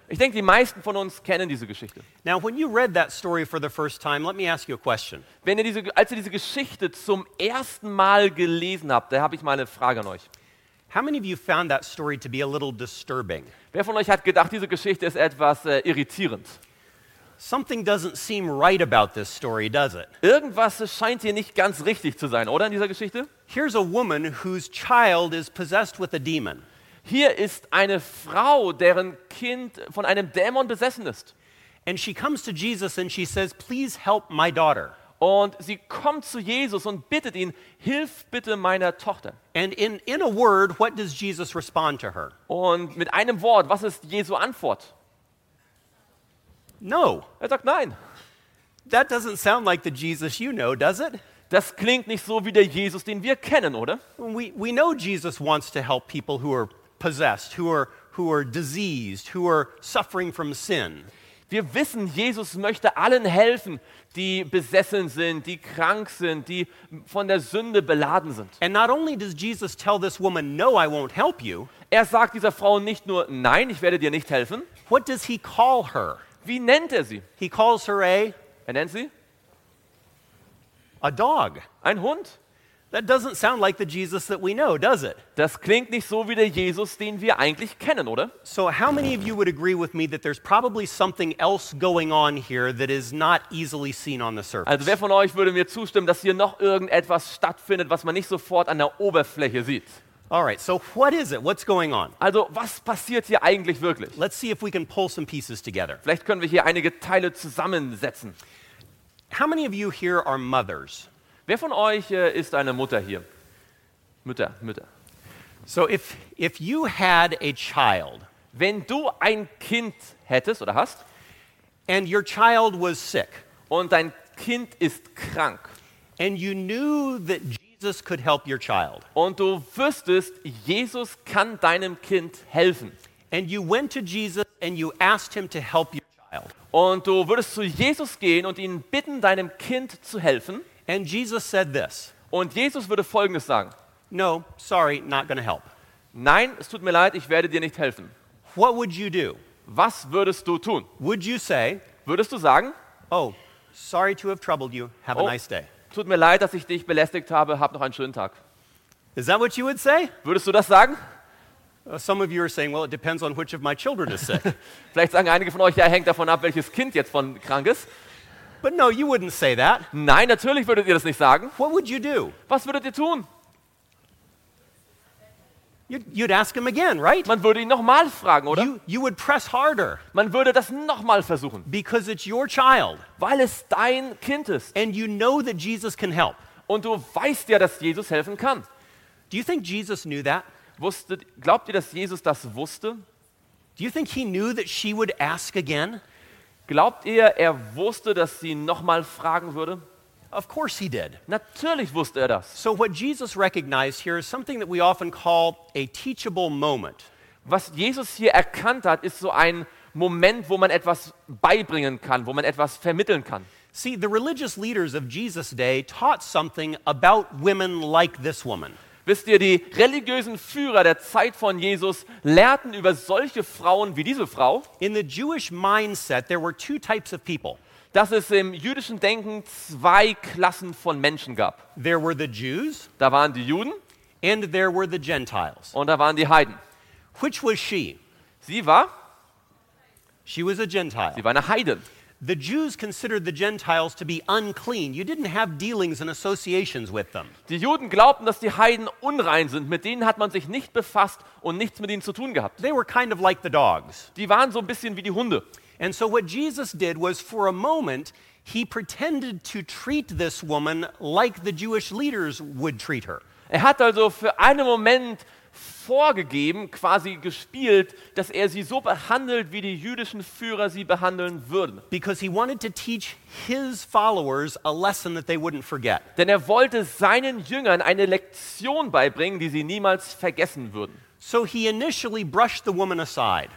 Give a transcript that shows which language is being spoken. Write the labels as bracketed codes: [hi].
[de] Ich denke, die meisten von uns kennen diese Geschichte. [en] Now, when you read that story for the first time, let me ask you a question. [de] Wenn ihr diese, als ihr diese Geschichte zum ersten Mal gelesen habt, da habe ich mal eine Frage an euch. [en] How many of you found that story to be a little disturbing? [de] Wer von euch hat gedacht, diese Geschichte ist etwas irritierend? [en] Something doesn't seem right about this story, does it? [de] Irgendwas scheint hier nicht ganz richtig zu sein, oder, in dieser Geschichte? [en] Here's a woman whose child is possessed with a demon. [de] Hier ist eine Frau, deren Kind von einem Dämon besessen ist. [en] And she comes to Jesus and she says, "Please help my daughter." [de] Und sie kommt zu Jesus und bittet ihn: "Hilf bitte meiner Tochter." [en] And in a word, what does Jesus respond to her? [de] Und mit einem Wort, was ist Jesu Antwort? [en] No. [de] Er sagt nein. [en] That doesn't sound like the Jesus you know, does it? [de] Das klingt nicht so wie der Jesus, den wir kennen, oder? [en] We know Jesus wants to help people who are possessed, who are diseased, who are suffering from sin. [de] Wir wissen, Jesus möchte allen helfen, die besessen sind, die krank sind, die von der Sünde beladen sind. [en] And not only does Jesus tell this woman, "No, I won't help you." [de] Er sagt dieser Frau nicht nur nein, ich werde dir nicht helfen. [en] What does he call her? [de] Wie nennt er sie? [en] He calls her a. [de] Er nennt sie? [en] A dog. [de] Ein Hund. [en] That doesn't sound like the Jesus that we know, does it? [de] Das klingt nicht so wie der Jesus, den wir eigentlich kennen, oder? [en] So how many of you would agree with me that there's probably something else going on here that is not easily seen on the surface? [de] Also wer von euch würde mir zustimmen, dass hier noch irgendetwas stattfindet, was man nicht sofort an der Oberfläche sieht? [en] All right, so what is it? What's going on? [de] Also, was passiert hier eigentlich wirklich? [en] Let's see if we can pull some pieces together. [de] Vielleicht können wir hier einige Teile zusammensetzen. [en] How many of you here are mothers? [de] Wer von euch ist eine Mutter hier? Mütter, Mütter. [en] So if you had a child, [de] wenn du ein Kind hättest oder hast, [en] and your child was sick, [de] und dein Kind ist krank, [en] and you knew that Jesus could help your child. [de] Und du wüsstest, Jesus kann deinem Kind helfen. [en] And you went to Jesus and you asked him to help your child. [de] Und du würdest zu Jesus gehen und ihn bitten, deinem Kind zu helfen. [en] And Jesus said this. [de] Und Jesus würde Folgendes sagen. [en] No, sorry, not going to help. [de] Nein, es tut mir leid, ich werde dir nicht helfen. [en] What would you do? [de] Was würdest du tun? [en] Would you say? [de] Würdest du sagen? [en] Oh, sorry to have troubled you. Have a nice day. [de] Tut mir leid, dass ich dich belästigt habe. Hab noch einen schönen Tag. [en] Is that what you would say? [de] Würdest du das sagen? [en] Some of you are saying, well, it depends on which of my children is sick. [de] Vielleicht sagen einige von euch, ja, hängt davon ab, welches Kind jetzt von krank ist. [en] But no, you wouldn't say that. [de] Nein, natürlich würdet ihr das nicht sagen. [en] What would you do? [de] Was würdet ihr tun? [en] You'd ask him again, right? [de] Man würde ihn nochmal fragen, oder? [en] You would press harder. [de] Man würde das nochmal versuchen. [en] Because it's your child. [de] Weil es dein Kind ist. [en] And you know that Jesus can help. [de] Und du weißt ja, dass Jesus helfen kann. [en] Do you think Jesus knew that? [de] Glaubt ihr, dass Jesus das wusste? [en] Do you think he knew that she would ask again? [de] Glaubt ihr, er wusste, dass sie nochmal fragen würde? [en] Of course he did. [de] Natürlich wusste er das. [en] So what Jesus recognized here is something that we often call a teachable moment. [de] Was Jesus hier erkannt hat, ist so ein Moment, wo man etwas beibringen kann, wo man etwas vermitteln kann. [en] See, the religious leaders of Jesus' day taught something about women like this woman. [de] Wisst ihr, die religiösen Führer der Zeit von Jesus lehrten über solche Frauen wie diese Frau. [en] In the Jewish mindset, there were two types of people. [de] Dass es im jüdischen Denken zwei Klassen von Menschen gab. [en] There were the Jews. [de] Da waren die Juden. [en] And there were the Gentiles. [de] Und da waren die Heiden. [en] Which was she? [de] Sie war? [en] She was a Gentile. [de] Sie war eine Heidin. [en] The Jews considered the Gentiles to be unclean. You didn't have dealings and associations with them. [de] Die Juden glaubten, dass die Heiden unrein sind. Mit denen hat man sich nicht befasst und nichts mit ihnen zu tun gehabt. [en] They were kind of like the dogs. [de] Die waren so ein bisschen wie die Hunde. [en] And so what Jesus did was for a moment he pretended to treat this woman like the Jewish leaders would treat her. [de] Er hat also für einen Moment vorgegeben, quasi gespielt, dass er sie so behandelt, wie die jüdischen Führer sie behandeln würden. [en] Because he wanted to teach his followers a lesson that they wouldn't forget. [de] Denn er wollte seinen Jüngern eine Lektion beibringen, die sie niemals vergessen würden. [en] So he initially brushed the woman aside.